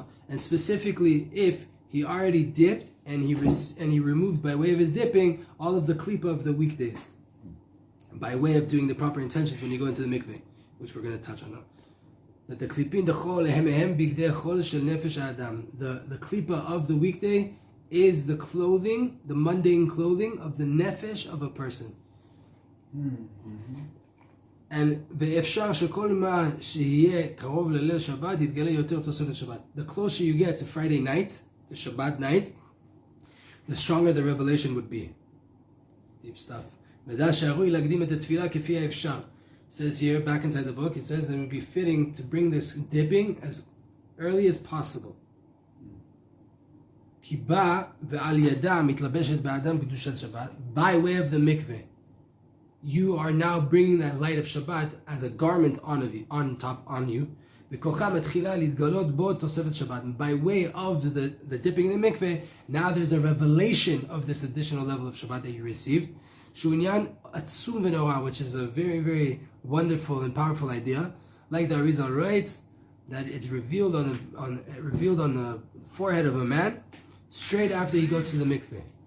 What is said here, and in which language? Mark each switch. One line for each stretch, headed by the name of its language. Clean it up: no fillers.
English: And specifically, if he already dipped and he removed by way of his dipping all of the klipa of the weekdays, by way of doing the proper intentions when you go into the mikveh, which we're going to touch on now.
Hebrew: That the klipin dechol ehem bigdei chol shel nefesh ha'adam.
English: The klipa of the weekday is the clothing, the mundane clothing of the nefesh of a person.
Hebrew: And ואפשר שכל מה שיהיה קרוב לליל שבת יתגלה יותר תוספת שבת.
English: The closer you get to Friday night, to Shabbat night, the stronger the revelation would be. Deep stuff.
Hebrew: ודע שהרוי להקדים את התפילה כפי האפשר.
English: Says here, back inside the book, it says that it would be fitting to bring this dipping as early as possible.
Hebrew: כי בא ועל ידה מתלבשת באדם קדושת שבת,
English: by way of the mikveh. You are now bringing that light of Shabbat as a garment on of you, on top on you.
Hebrew: וכוחה מתחילה להתגלות בו תוספת שבת.
English: By way of the dipping in the mikveh, now there's a revelation of this additional level of Shabbat that you received.
Hebrew: שעניין עצום ונורא,
English: which is a very, very wonderful and powerful idea. Like the Arizal writes, that it's revealed on the forehead of a man straight after he goes to the mikveh.